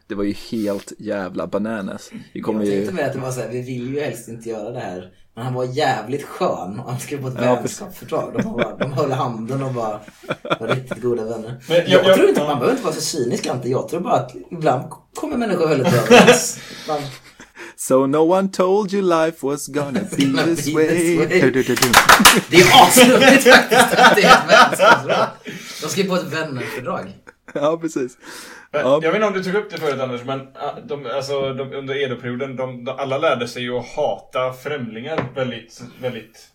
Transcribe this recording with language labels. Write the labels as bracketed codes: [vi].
[sv] Det var ju helt jävla bananas. Vi vill ju helst inte göra det här. Men han var jävligt skön och han skrev på ett vänskapsfördrag. De höll handen och bara var riktigt goda vänner. Jag tror inte man behöver inte vara så cynisk. Inte. Jag tror bara att ibland kommer människor höll ett överens. [en] So no one told you life was gonna be this way. [sv] Det är avslutligt faktiskt att det är ett vänskapsfördrag. De skrev på ett vännerfördrag. Ja, precis. Jag vet inte om du tog upp det förut, Anders, men under Edo-perioden, alla lärde sig ju att hata främlingar väldigt, väldigt.